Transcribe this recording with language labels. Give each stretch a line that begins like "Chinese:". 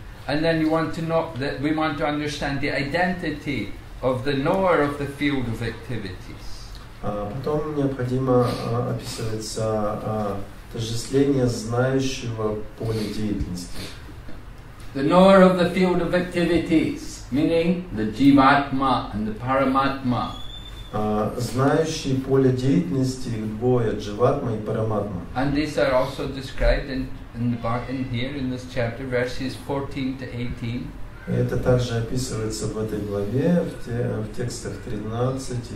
English: And then you want to know that we want to understand the identity of the knower of the field of activities.
Russian: Потом необходимо описывается отождествление знающего поля деятельности.
English: The knower of the field of activities, meaning the jivatma and the paramatma.
Russian: Знающий поле деятельности двое, дживатма и параматма.
English: And these are also described in here in this chapter, verses 14-18.
Russian: Это также описывается в этой главе в текстах 13-18.